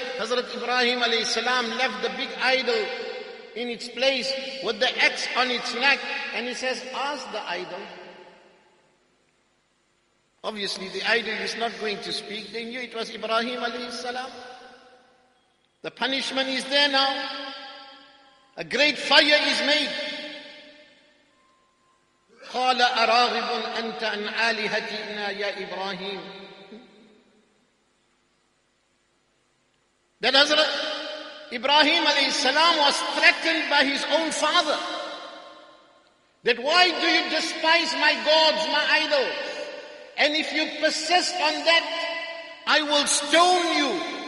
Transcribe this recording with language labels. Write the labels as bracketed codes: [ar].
[en] Hazrat Ibrahim alayhi salam left the big idol in its place with the axe on its neck, and he says, ask the idol. Obviously, the idol is not going to speak. They knew it was Ibrahim alayhi salam. The punishment is there now. A great fire is made. [ar] قال أراغب أنت عن آلهتنا يا إبراهيم. [en] Then Hazrat Ibrahim alayhi salam was threatened by his own father, that why do you despise my gods, my idols? And if you persist on that, I will stone you.